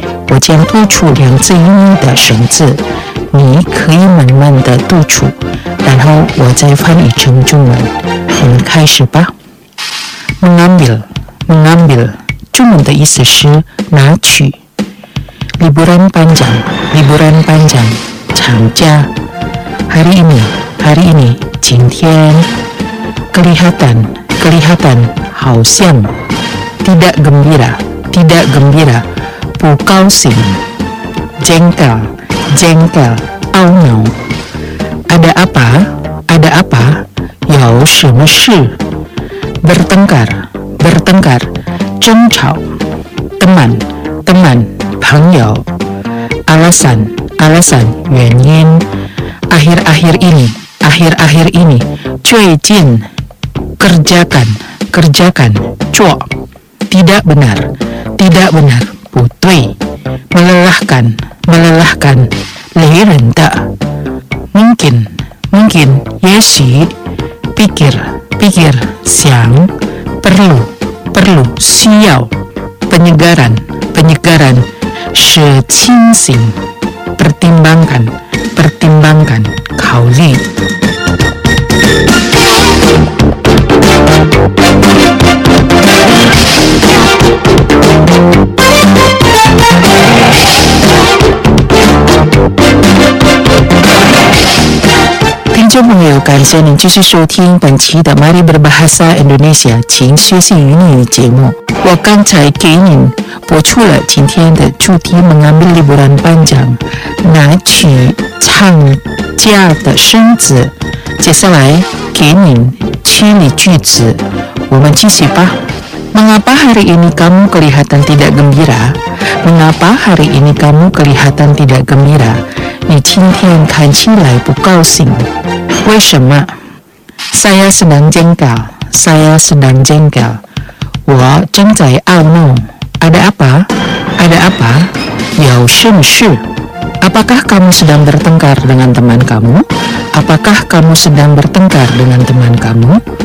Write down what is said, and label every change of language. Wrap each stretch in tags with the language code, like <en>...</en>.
<zh>我将读出两字音的生字，你可以慢慢的读出，然后我再翻译成中文。我们开始吧。 Mengambil, mengambil， 中文的意思是拿取。</zh> <id>Liburan panjang, liburan panjang， 长假。 Hari ini, hari ini， 今天。 Kelihatan, kelihatan， 好像。 Tidak gembira, tidak gembira， 不高兴。 Jengkel, jengkel， 懊恼。 Ada apa, ada apa， 有什么事。 Bertengkar, bertengkar， 争吵。Teman, teman， 朋友。 Alasan, alasan， 原因。 Akhir-akhir ini, akhir-akhir ini， 最近。 Kerjakan, kerjakan， 做。 Tidak benar, tidak benar， 不对。 Melelahkan, melelahkan， 累人的。 Mungkin, mungkin， 也许。 Pikir, pikir， 想。 Perlu, perlu， 需要。 Penyegaran, penyegaran， 是清醒。 Pertimbangkan, pertimbangkan， 考虑。</id> <zh>听众朋友，感谢您继续收听本期的 Mari Berbahasa Indonesia 请学习语言节目。我刚才给您播出了今天的主题 Mengambil liburan panjang， 拿取长假的生字。接下来给您清理句子，我们继续吧。</zh> <id>Mengapa hari ini kamu kelihatan tidak gembira？ Mengapa hari ini kamu kelihatan tidak gembira？</id> <zh>你今天看起来不高兴，为什么？</zh> <id>Saya sedang jengkel, saya sedang jengkel，</id> <zh>我正在懊恼。</zh> <id>Ada apa? Ada apa?</id> <zh>有什么事？</zh> <id>Apakah kamu sedang bertengkar dengan teman kamu? Apakah kamu sedang bertengkar dengan teman kamu?</id>